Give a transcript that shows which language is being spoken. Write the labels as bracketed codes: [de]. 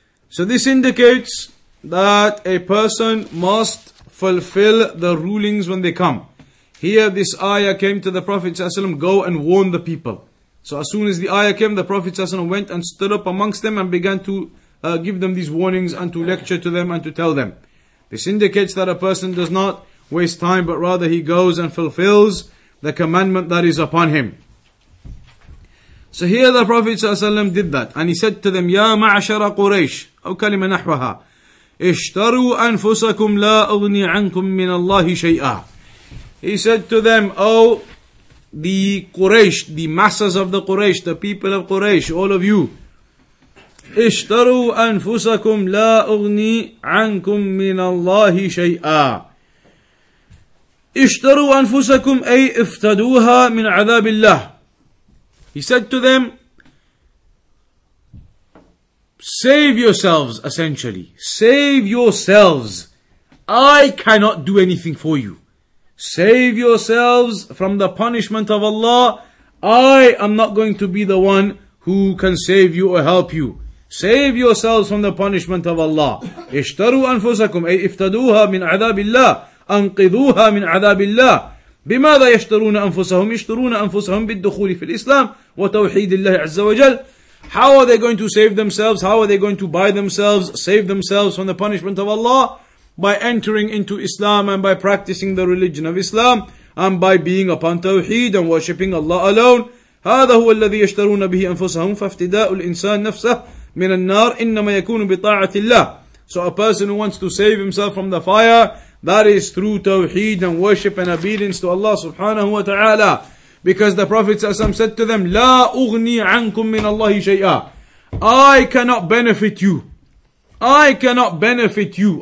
[en] So this indicates that a person must fulfill the rulings when they come. Here this ayah came to the Prophet ﷺ, go and warn the people. So as soon as the ayah came, the Prophet ﷺ went and stood up amongst them and began to give them these warnings and to lecture to them and to tell them. This indicates that a person does not waste time, but rather he goes and fulfills the commandment that is upon him. So here the Prophet ﷺ did that, and he said to them, [ar] Ya ma'ashara Quraysh, أو كلمة نحوها, اشتروا أنفسكم لا أغني عنكم من الله شيئا. [en] He said to them, Oh, the Quraysh, the masses of the Quraysh, the people of Quraysh, all of you, [ar] اشتروا أنفسكم لا أغني عنكم من الله شيئا. اشتروا أنفسكم أي افتدوها من عذاب الله. [en] He said to them, save yourselves, essentially. Save yourselves. I cannot do anything for you. Save yourselves from the punishment of Allah. I am not going to be the one who can save you or help you. Save yourselves from the punishment of Allah. [ar] اشتروا أنفسكم أي افتدوها من عذاب الله أنقذوها من عذاب الله. بماذا يشترون أنفسهم؟ يشترون أنفسهم بالدخول في الإسلام وتوحيد الله عز وجل. [en] How are they going to save themselves? How are they going to buy themselves, save themselves from the punishment of Allah? By entering into Islam and by practicing the religion of Islam and by being upon Tawheed and worshipping Allah alone. [ar] هذا هو الذي يشترون به أنفسهم فافتداء الإنسان نفسه من النار إنما يكون بطاعة الله. [en] So a person who wants to save himself from the fire, that is through Tawheed and worship and obedience to Allah subhanahu wa ta'ala. Because the Prophet ﷺ said to them, [ar] La أغني عنكم من الله شيئا. [en] I cannot benefit you. I cannot benefit you.